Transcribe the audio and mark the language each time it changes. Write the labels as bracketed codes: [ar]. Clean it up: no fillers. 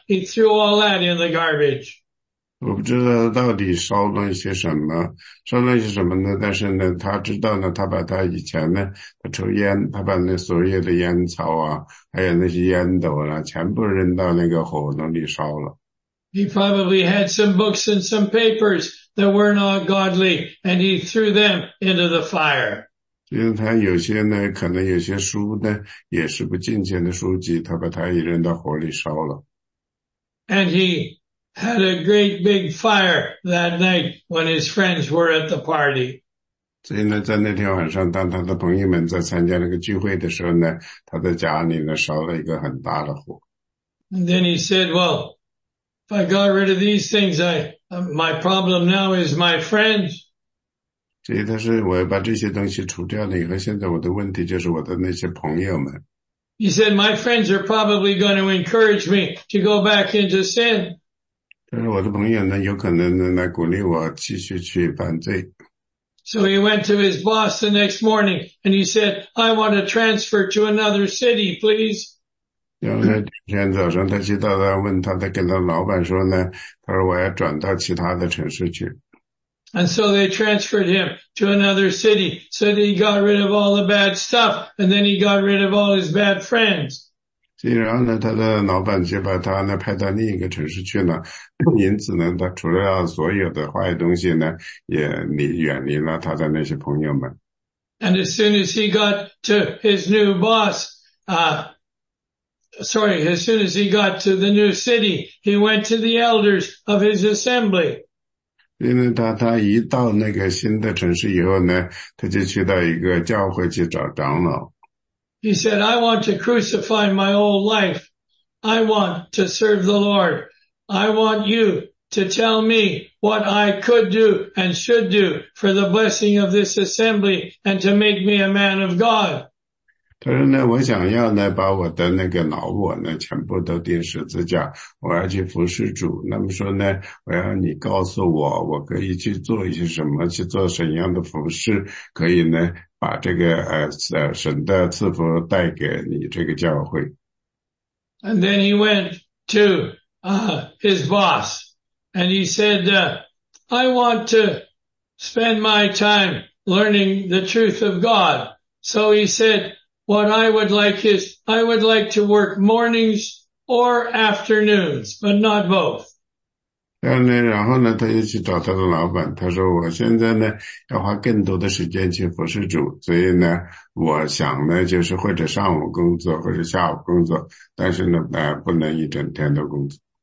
[en] He threw all that in the garbage. [zh] 我不知道到底烧了一些什么，烧了一些什么呢？但是呢，他知道呢，他把他以前呢，他抽烟，他把那所有的烟草啊，还有那些烟斗啊，全部扔到那个火炉里烧了。 [en] He probably had some books and some papers that were not godly, and he threw them into the fire. [zh] 因为他有些呢，可能有些书呢，也是不敬虔的书籍，他把它也扔到火里烧了。 [en] And he had a great big fire that night when his friends were at the party. [zh] 所以呢，在那天晚上，当他的朋友们在参加那个聚会的时候呢，他在家里呢烧了一个很大的火。 [en] And then he said, "Well, if I got rid of these things, my problem now is my friends." [zh] 所以他说，我要把这些东西除掉了以后，现在我的问题就是我的那些朋友们。 [en] He said, my friends are probably going to encourage me to go back into sin. [zh] 我的朋友呢，有可能能来鼓励我继续去犯罪。 [en] So he went to his boss the next morning and he said, I want to transfer to another city, please. [zh] 然后呢，今天早上他接到他问他，他跟他老板说呢，他说我要转到其他的城市去。 [en] And so they transferred him to another city so that he got rid of all the bad stuff and then he got rid of all his bad friends. [zh] 然后呢他的老板就把他呢派到另一个城市去了。因此呢他除了所有的坏东西呢也远离了他的那些朋友们。 [en] And as soon as he got to his new boss, as soon as he got to the new city, he went to the elders of his assembly. [zh] 因为他一到那个新的城市以后呢他就去到一个教会去找长老。 [en] He said, I want to crucify my old life. I want to serve the Lord. I want you to tell me what I could do and should do for the blessing of this assembly and to make me a man of God. [zh] 他说呢我想要呢把我的那个老我呢全部都钉十字架我要去服侍主那么说呢我要你告诉我可以去做一些什么去做什么样的服侍可以呢把这个神的赐福带给你这个教会。 [en] And then he went to, his boss. And he said, I want to spend my time learning the truth of God. So he said,What I would like is, I would like to work mornings or afternoons, but not both. [zh] 然后呢他就去找他的老板他说我现在呢要花更多的时间去服侍主所以呢我想呢就是或者上午工作或者下午工作但是呢不能一整天的工作。